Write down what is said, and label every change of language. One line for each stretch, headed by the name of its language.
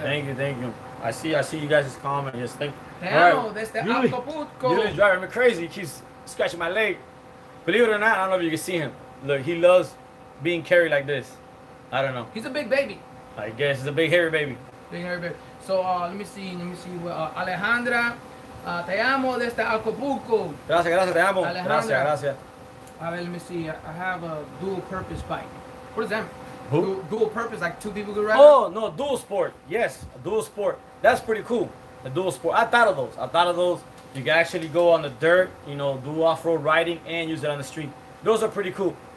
English: Thank you. I see you guys' comment. Yes, thank you. Damn, that's the Acapulco. You're driving me crazy. He keeps scratching my leg. Believe it or not, I don't know if you can see him. Look, he loves being carried like this. I don't know. He's a big baby. I guess it's a big hairy baby. So let me see.
Spanish: Alejandra, te amo desde Acapulco. Gracias, te amo. Alejandra. Gracias. A ver,
English: let me see. I have a dual purpose bike. What is that? Who? Dual purpose, like two people can ride? Oh, no, dual sport. Yes, dual sport. That's pretty cool. A dual sport. I thought of those. You can actually go on the dirt, you know, do off-road riding and use it on the street. Those are pretty cool.